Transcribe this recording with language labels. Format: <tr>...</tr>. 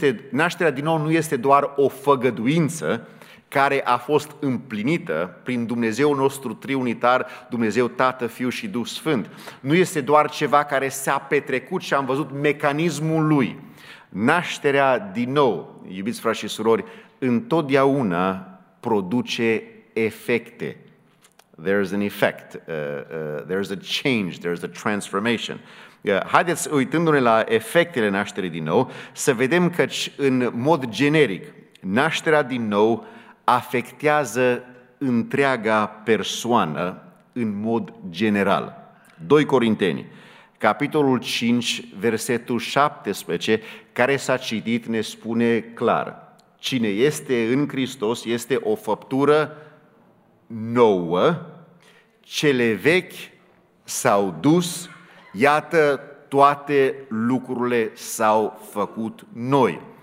<ro>Nașterea din nou nu este doar o făgăduință care a fost împlinită prin Dumnezeul nostru triunitar, Dumnezeu Tată, Fiu și Duh Sfânt. Nu este doar ceva care s-a petrecut și am văzut mecanismul lui. Nașterea din nou, iubiți frați și surori, întotdeauna produce efecte.</ro> <en>There is an effect, there is a change, there is a transformation.</en> <ro>Haideți, uitându-ne la efectele nașterii din nou, să vedem că în mod generic, nașterea din nou afectează întreaga persoană în mod general. 2 Corinteni, capitolul 5, versetul 17, care s-a citit, ne spune clar: cine este în Hristos este o făptură nouă, cele vechi s-au dus, iată, toate lucrurile s-au făcut noi.</ro>